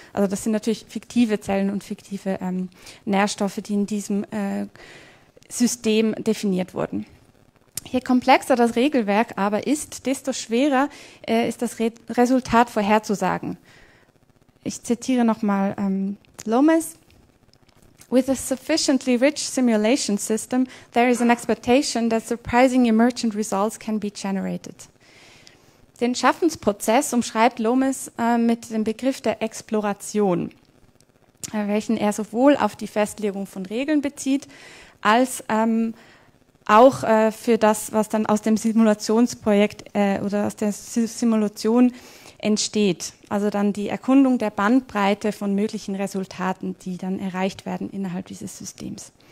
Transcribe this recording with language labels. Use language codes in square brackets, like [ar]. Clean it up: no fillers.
[de] Also das sind natürlich fiktive Zellen und fiktive Nährstoffe, die in diesem System definiert wurden. Je komplexer das Regelwerk aber ist, desto schwerer ist das Resultat vorherzusagen. Ich zitiere nochmal Lomas. [en] With a sufficiently rich simulation system, there is an expectation that surprising emergent results can be generated. [de] Den Schaffensprozess umschreibt Lomas mit dem Begriff der Exploration, welchen er sowohl auf die Festlegung von Regeln bezieht, als auch für das, was dann aus dem Simulationsprojekt oder aus der Simulation entsteht, also dann die Erkundung der Bandbreite von möglichen Resultaten, die dann erreicht werden innerhalb dieses Systems.